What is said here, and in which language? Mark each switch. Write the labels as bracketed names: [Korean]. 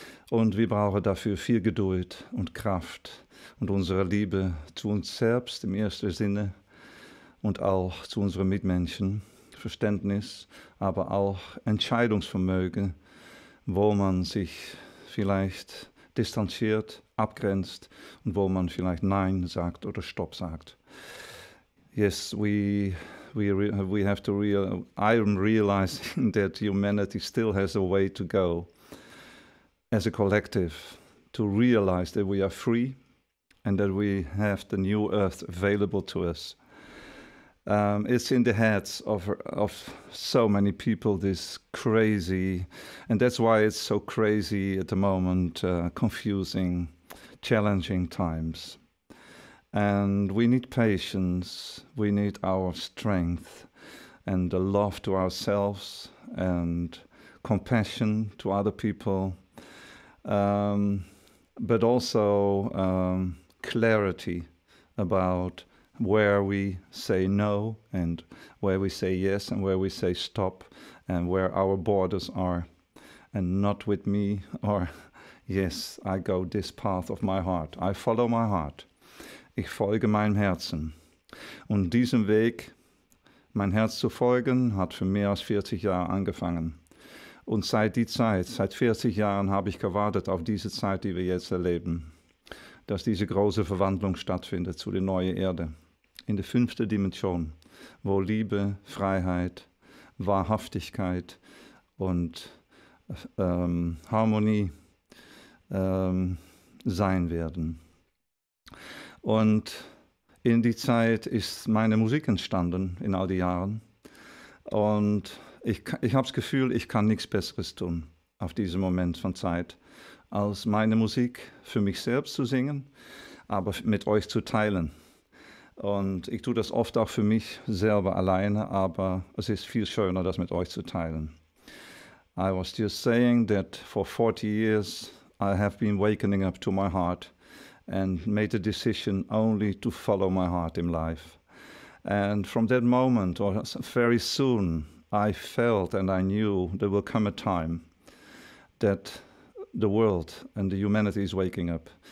[German] Und wir brauchen dafür viel Geduld und Kraft und unsere Liebe zu uns selbst im ersten Sinne und auch zu unseren Mitmenschen, Verständnis, aber auch Entscheidungsvermögen, wo man sich vielleicht distanziert, abgrenzt und wo man vielleicht Nein sagt oder Stopp sagt. [English] Yes, we have to I am realizing that humanity still has a way to go as a collective to realize that we are free and that we have the new earth available to us. It's in the heads of so many people, this crazy, and that's why it's so crazy at the moment, confusing, challenging times. And we need patience, we need our strength and the love to ourselves and compassion to other people. But also clarity about where we say no and where we say yes and where we say stop and where our borders are, and not with me or yes, I go this path of my heart. I follow my heart. [German] Ich folge meinem Herzen. Und diesem Weg, mein Herz zu folgen, hat für mehr als 40 Jahre angefangen. Und seit 40 Jahren habe ich gewartet auf diese Zeit, die wir jetzt erleben, dass diese große Verwandlung stattfindet zu der neuen Erde, in der fünften Dimension, wo Liebe, Freiheit, Wahrhaftigkeit und Harmonie sein werden. Und in die Zeit ist meine Musik entstanden, in all den Jahren. Und ich habe das Gefühl, ich kann nichts Besseres tun auf diesem Moment von Zeit, als meine Musik für mich selbst zu singen, aber mit euch zu teilen. Und ich tue das oft auch für mich selber alleine, aber es ist viel schöner, das mit euch zu teilen. [English] I was just saying that for 40 years I have been waking up to my heart and made a decision only to follow my heart in life. And from that moment, or very soon, I felt and I knew there will come a time that the world and the humanity is waking up.